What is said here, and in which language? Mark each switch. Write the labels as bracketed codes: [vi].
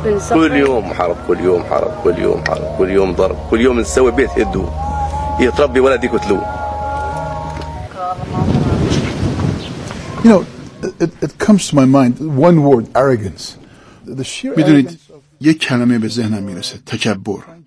[ar] كل يوم حرب، كل يوم حرب، كل يوم حرب، كل يوم ضرب، كل يوم نسوي بيت هدو يتربي ولد يقتلوه. [en] You know, it comes to my mind one word, arrogance. The sheer arrogance. [fa] یک کلمه به ذهنم میرسه، تکبر.